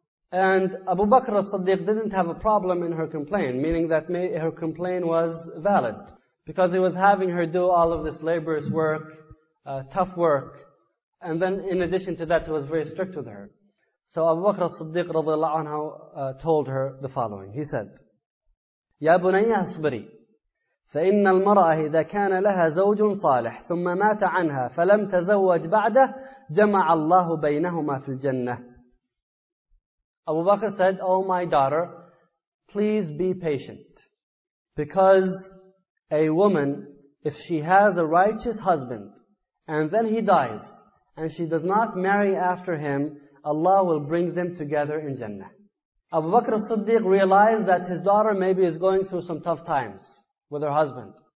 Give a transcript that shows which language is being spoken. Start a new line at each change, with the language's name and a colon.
English: And Abu Bakr as-Siddiq didn't have a problem in her complaint, meaning that her complaint was valid. Because he was having her do all of this laborious work, tough work. And then in addition to that, he was very strict with her. So Abu Bakr as-Siddiq radiallahu anhu told her the following. He said,
Arabic: يَا بُنَيَّ أَصْبِرِي فَإِنَّ الْمَرَأَةِ إِذَا كَانَ لَهَا زَوْجٌ صَالِحٌ ثُمَّ مَاتَ عَنْهَا فَلَمْ تَزَوَّجْ بَعْدَهُ جَمَعَ اللَّهُ بَيْنَهُمَا فِي الْجَنَّةِ
English: Abu Bakr said, O my daughter, please be patient. Because a woman, if she has a righteous husband, and then he dies, and she does not marry after him, Allah will bring them together in Jannah. Abu Bakr as-Siddiq realized that his daughter maybe is going through some tough times with her husband.